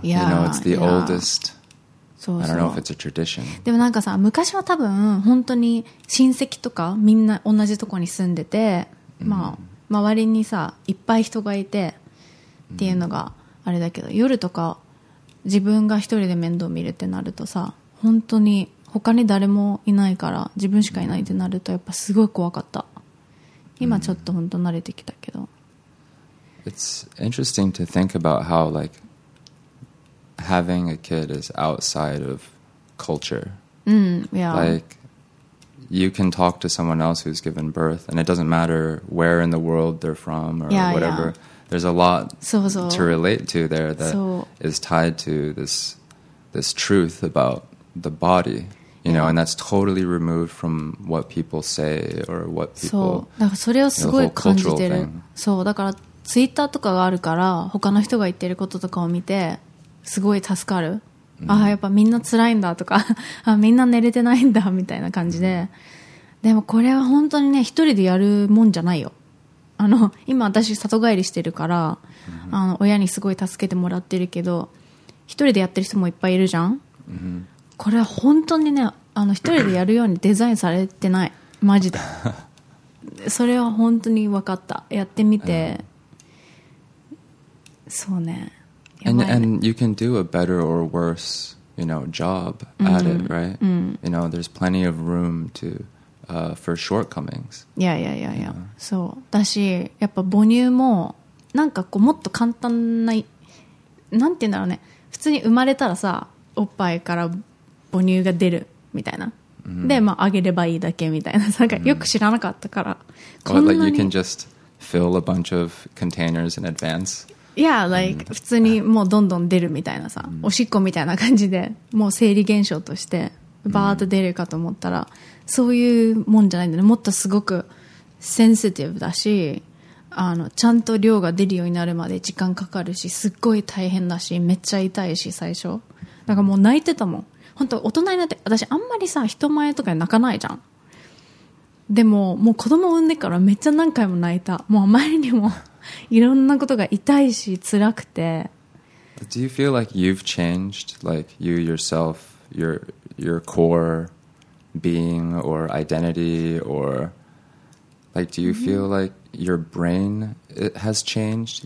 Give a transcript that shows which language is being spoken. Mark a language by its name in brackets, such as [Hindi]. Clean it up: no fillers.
[English] Yeah, you know, it's the oldest. [Japanese] そうそう。 [English] I don't know if it's a tradition. [Japanese] でもなんかさ、昔は多分本当に親戚とかみんな同じとこに住んでて、まあ周りにさいっぱい人がいてっていうのがあれだけど、夜とか自分が一人で面倒見るってなるとさ、本当に他に誰もいないから自分しかいないってなるとやっぱすごい怖かった。今ちょっと本当慣れてきたけど。 [English] It's interesting to think about how like having a kid is outside of culture. Yeah. Like you can talk to someone else who's given birth, and it doesn't matter where in the world they're from or yeah, whatever. Yeah. There's a lot [Japanese] そうそう [English] to relate to there that is tied to this truth about the body. You know, and that's totally removed from what people say or what people. [Japanese] そう、だからそれをすごい感じてる。そう、だからツイッターとかがあるから、他の人が言ってることとかを見て、すごい助かる。 Mm. ああ、やっぱみんな辛いんだとか、あ、みんな寝れてないんだみたいな感じで。でもこれは本当にね、一人でやるもんじゃないよ。あの、今私里帰りしてるから、mm-hmm. あの、親にすごい助けてもらってるけど、一人でやってる人もいっぱいいるじゃん。 Mm-hmm. これは本当にね、あの、一人でやるようにデザインされてない。マジで。それは本当に分かった。やってみて。そうね。 [English] And you can do a better or worse, you know, job at it, right? You know, there's plenty of room to, for shortcomings. Yeah, yeah, yeah, yeah. [Japanese] そう。だし、やっぱ母乳も、なんかこう、もっと簡単な、なんて言うんだろうね。普通に生まれたらさ、おっぱいから、母乳が出るみたいな、mm-hmm. で、まあ、あげればいいだけみたいな、なんかよく知らなかったから、 [English] mm-hmm. [Japanese] こんなに、 [English] like、you can just fill a bunch of containers in advance yeah like and... [Japanese] 普通にもうどんどん出るみたいなさ、mm-hmm. おしっこみたいな感じでもう生理現象としてバーッと出るかと思ったら、mm-hmm. そういうもんじゃないんだね。もっとすごくセンシティブだし、あのちゃんと量が出るようになるまで時間かかるし、すっごい大変だし、めっちゃ痛いし、最初なんかもう泣いてたもん。本当大人になって私あんまりさ人前とかで泣かないじゃん。でももう子供産んでからめっちゃ何回も泣いた。もうあまりにもいろんなことが痛いし辛くて。 [English] But、do you feel like you've changed like you yourself your core being or identity or like do you feel like your brain it has changed?